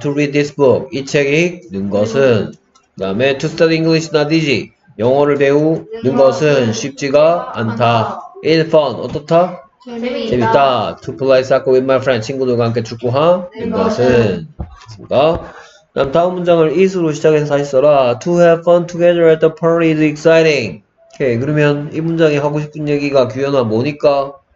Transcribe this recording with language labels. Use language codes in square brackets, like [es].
[en] To read this book. [ko] 이 책 읽는 것은 그 다음에 [en] To study English is not easy. [ko] 영어를 배우는 것은 쉽지가 않다. [en] It is fun. [ko] 어떻다? 재밌다. [en] To play soccer with my friend. [ko] 친구들과 함께 축구하는 것은 그렇습니다. 그 다음 다음 문장을 is로 시작해서 다시 써라. [en] To have fun together at the party is exciting. [ko] 오케이. 그러면 이 문장이 하고 싶은 얘기가 규현아 뭐니까?